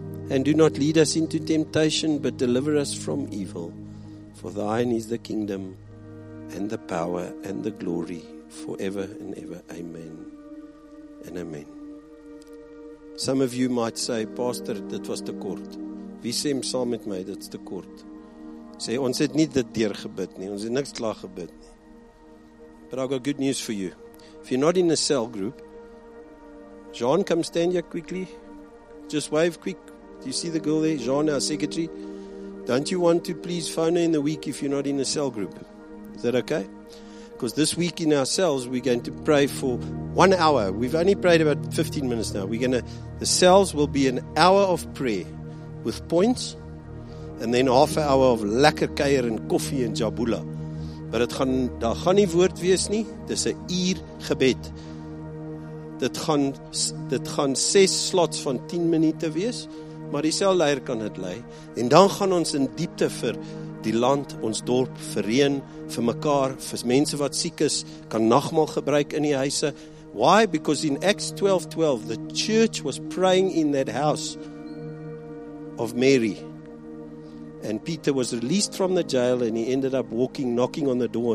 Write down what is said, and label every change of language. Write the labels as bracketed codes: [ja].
[en] And do not lead us into temptation, but deliver us from evil. For thine is the kingdom, and the power, and the glory, forever and ever. Amen and amen. Some of you might say, Pastor, [af] dit was te kort. Wie stem saam met my, dit's te kort. Sê, ons het nie dit deur gebid nie, ons het niks klaar gebid nie. [en] But I've got good news for you. If you're not in a cell group, Jean, come stand here quickly. Just wave quick. Do you see the girl there? Jean, our secretary. Don't you want to please phone her in the week if you're not in a cell group? Is that okay? Because this week in our cells, we're going to pray for 1 hour. We've only prayed about 15 minutes now. The cells will be an hour of prayer with points, and then half an hour of lekker keier and coffee and jabula. But it [af] gaan, daar gaan nie woord wees nie. Dis 'n uur gebed. Dit gaan 6 slots van 10 minute wees. Maar die selleier kan dit lei. En dan gaan ons in diepte vir die land, ons dorp, vir reën, vir mekaar, vir mense wat siek is, kan nagmaal gebruik in die huise. [en] Why? Because in Acts 12:12, the church was praying in that house of Mary. And Peter was released from the jail and he ended up walking, knocking on the door.